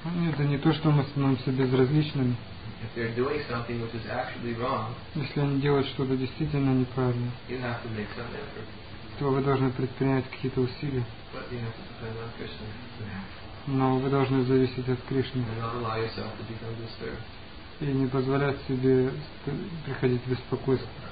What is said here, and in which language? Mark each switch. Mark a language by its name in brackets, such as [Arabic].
[Russian] Это не то, что мы становимся безразличными. [English] If they're doing something which is actually wrong, [Russian] если они делают что-то действительно неправильно, [English] you have to make some effort. [Russian] То вы должны предпринять какие-то усилия. [English] But you have to depend on Krishna. [Russian] Но вы должны зависеть от Кришны. [English] And not allow yourself to become disturbed. [Russian] И не позволять себе приходить в беспокойство.